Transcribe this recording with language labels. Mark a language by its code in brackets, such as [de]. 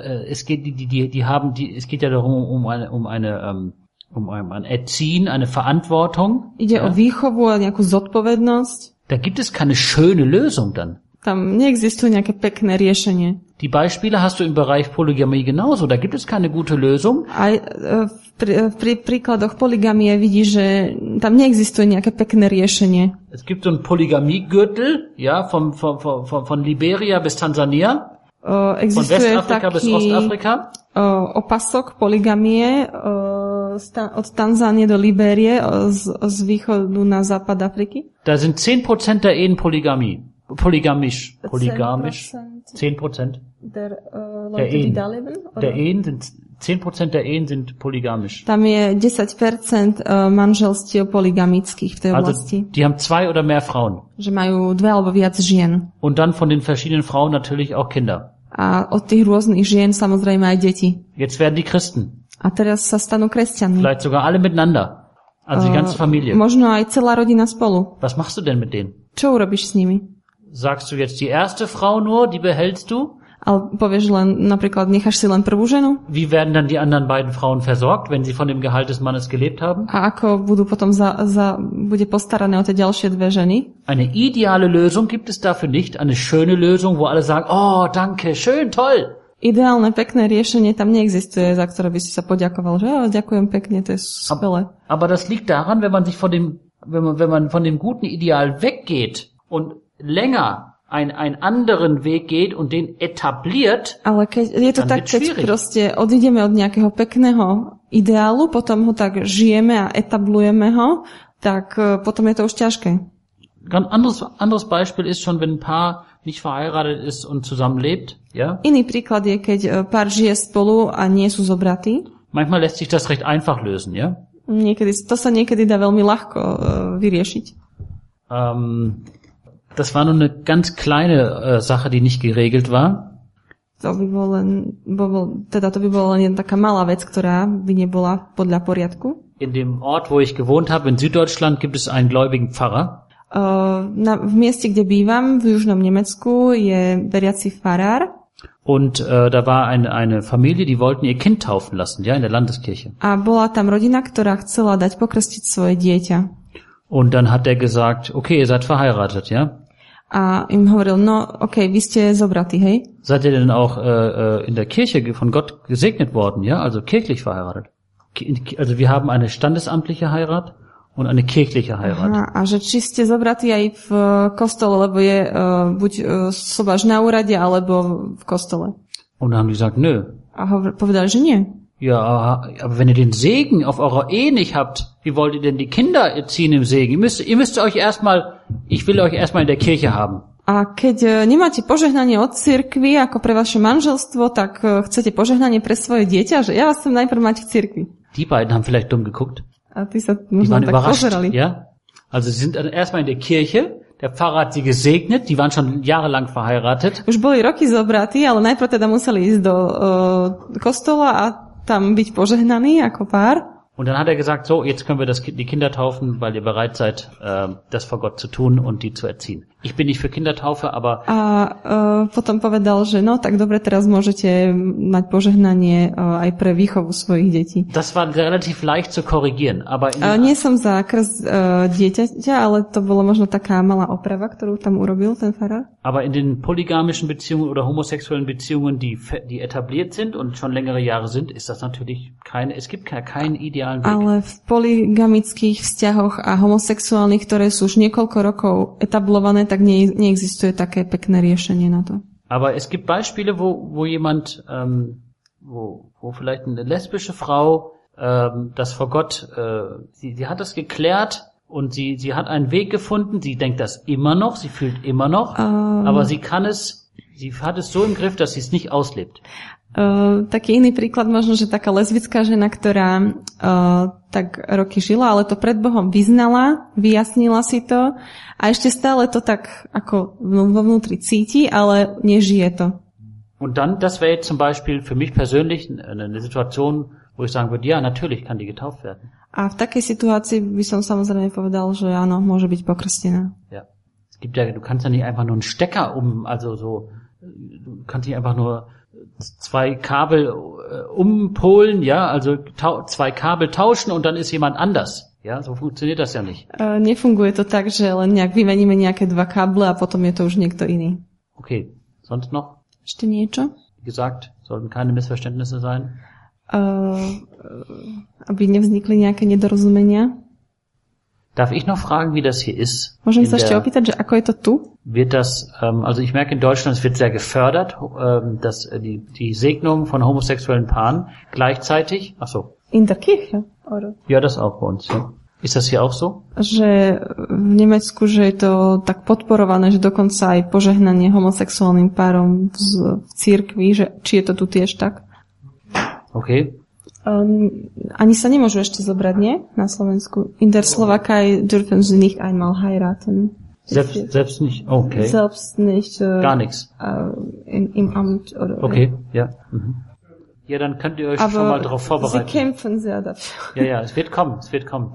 [de] Es geht ja darum, um ein Erziehen, eine Verantwortung. [sk] Ide o výchovu a nejakú zodpovednosť. [de] Da gibt es keine schöne Lösung dann. [sk] Tam neexistuje nejaké pekné riešenie. [de] Die Beispiele hast du im Bereich Polygamie genauso. Da gibt es keine gute Lösung. [sk] Aj pri príkladoch polygamie vidíš, že tam neexistuje nejaké pekné riešenie. [de] Es gibt so ein Polygamie-Gürtel, ja, von Liberia bis Tanzania. [sk] Existuje taký [de] bis Ostafrika. [sk] Opasok polygamie od Tanzánie do Liberie, z východu na západ Afriky. [de] Da sind 10% der Ehen polygamie. Polygamisch. 10% der Leute, die da leben? Der Ehen sind, 10% der Ehen sind polygamisch. [sk] Tam je 10% manželstiev polygamických v tej [de] also, [sk] oblasti. [de] Die haben zwei oder mehr Frauen. [sk] Že majú dve alebo viac žien. [de] Und dann von den verschiedenen Frauen natürlich auch Kinder. [sk] A od tých rôznych žien samozrejme aj deti. [de] Jetzt werden die Christen. [sk] A teraz sa stanú kresťanmi. [de] Vielleicht sogar alle miteinander. Also die ganze Familie. [sk] Možno aj celá rodina spolu. [de] Was machst du denn mit denen? [sk] Čo urobíš s nimi? [de] Sagst du jetzt die erste Frau nur, die behältst du? [sk] Ale povieš len, napríklad, necháš si len prvú ženu? [de] Wie werden dann die anderen beiden Frauen versorgt, wenn sie von dem Gehalt des Mannes gelebt haben? [sk] A ako budú potom bude postarané o tie ďalšie dve ženy? [de] Eine ideale Lösung gibt es dafür nicht, eine schöne Lösung, wo alle sagen, oh, danke, schön, toll. [sk] Ideálne, pekné riešenie tam neexistuje, za ktoré by si sa poďakoval, že oh, ďakujem pekne, to je skvelé. [de] Aber das liegt daran, wenn man von dem guten Ideal weggeht und länger einen anderen Weg geht und den etabliert, [sk] ale keď, je to tak, keď proste odídeme od nejakého pekného ideálu, potom ho tak žijeme a etablujeme ho, tak potom je to už ťažké. [de] Anderes Beispiel ist schon, wenn ein Paar nicht verheiratet ist und zusammenlebt, ja? [sk] Iný príklad je, keď pár žije spolu a nie sú zobratí. [de] Manchmal lässt sich das recht einfach lösen, ja? [sk] Niekedy, to sa niekedy dá veľmi ľahko vyriešiť. [de] Das war nur eine ganz kleine Sache, die nicht geregelt war. [sk] To by bola len jedna taká malá vec, ktorá by nebola podľa poriadku. [de] In dem Ort, wo ich gewohnt habe, in Süddeutschland, gibt es einen gläubigen Pfarrer. [sk] V mieste, kde bývam, v južnom Nemecku, je veriaci farár. [de] Und da war eine Familie, die wollten ihr Kind taufen lassen, ja, in der Landeskirche. [sk] A bola tam rodina, ktorá chcela dať pokrstiť svoje dieťa. [de] Und dann hat er gesagt, okay, ihr seid verheiratet, ja? [sk] A im hovoril, no, okay, vy ste zobratí, hej? [de] Seid ihr denn auch in der Kirche von Gott gesegnet worden, ja? Also kirchlich verheiratet. Also wir haben eine standesamtliche Heirat und eine kirchliche Heirat. [sk] A že či ste zobratí aj v kostole, lebo je buď sobáš na úrade, alebo v kostole. [de] Und haben die gesagt, nö. [sk] A povedali, že nie. [de] Ja, aber wenn ihr den Segen auf eurer Ehe nicht habt, wie wollt ihr denn die Kinder erziehen im Segen? Ihr müsst euch erstmal, ich will euch erstmal in der Kirche haben. [sk] A keď nemáte požehnanie od cirkvi ako pre vaše manželstvo, tak chcete požehnanie pre svoje dieťa, že ja vás chcem najprv mať v cirkvi. [de] Die beiden haben vielleicht dumm geguckt. [sk] A ty sa možno tak pozerali. [de] Ja? Also sie sind dann erstmal in der Kirche, der Pfarrer hat sie gesegnet, die waren schon jahrelang verheiratet. [sk] Už boli roky zobratí, ale najprv teda museli ísť do kostola a tam byť požehnaní ako pár. [de] Und dann hat er gesagt, so, jetzt können wir die Kinder taufen, weil ihr bereit seid, das vor Gott zu tun und die zu erziehen. Ich bin nicht für Kindertaufe, aber... [sk] A potom povedal, že no, tak dobre, teraz môžete mať požehnanie aj pre výchovu svojich detí. [de] Das war relativ leicht zu korrigieren, aber... [sk] Nie som za krst dieťaťa, ale to bola možno taká malá oprava, ktorú tam urobil ten farár. [de] Aber in den polygamischen Beziehungen oder homosexuellen Beziehungen, die etabliert sind und schon längere Jahre sind, ist das natürlich keine, es gibt keinen idealen Weg. [sk] Ale v polygamických vzťahoch a homosexuálnych, ktoré sú už niekoľko rokov etablované, tak neexistuje také pekné riešenie na to. [de] Aber es gibt Beispiele, wo jemand, wo vielleicht eine lesbische Frau, das vor Gott, sie hat das geklärt, und sie hat einen Weg gefunden, sie denkt das immer noch, sie fühlt immer noch, aber sie kann es, sie hat es so im Griff, dass sie es nicht auslebt. [sk] Taký iný príklad možno, že taká lesbická žena, ktorá tak roky žila, ale to pred Bohom vyznala, vyjasnila si to a ešte stále to tak ako vo vnútri cíti, ale nežije to. [de] Und dann, das wäre zum Beispiel für mich persönlich eine Situation, wo ich sagen würde, ja, natürlich kann die getauft werden. [sk] A v takej situácii by som samozrejme povedal, že áno, môže byť pokrstená. [de] Ja. Es gibt ja, du kannst ja nicht einfach nur einen Stecker also so, du kannst nicht einfach nur zwei Kabel umpolen, ja, also zwei Kabel tauschen und dann ist jemand anders. Ja, so funktioniert das ja nicht. [sk] Nefunguje to tak, že len nejak vymeníme nejaké dva káble a potom je to už niekto iný. [de] Okay, sonst noch? [sk] Ešte niečo? [de] Wie gesagt, sollten keine Missverständnisse sein. [sk] Aby nevznikli nejaké nedorozumenia. [de] Darf ich noch fragen, wie das hier ist? [sk] Môžem sa ešte opýtať, že ako je to tu? [de] Wird das, also ich merke in Deutschland, es wird sehr gefördert, dass die Segnung von homosexuellen Paaren gleichzeitig, ach so. In der Kirche, oder? Ja, das auch bei uns, ja. Ist das hier auch so? [sk] Že v Nemecku, že je to tak podporované, že dokonca aj požehnanie homosexuálnym párom v cirkvi, že či je to tu tiež tak? [de] Okay. [sk] Ani sa nemôžu ešte zobrať, nie? Na Slovensku. [de] In der Slowakei dürfen sie nicht einmal heiraten. Selbst nicht, okay. Selbst nicht. Gar nichts. Im Amt oder. Okay, ja. Mhm. Ja, dann könnt ihr euch aber schon mal darauf vorbereiten. Sie kämpfen sehr dafür. Ja, ja, es wird kommen, es wird kommen.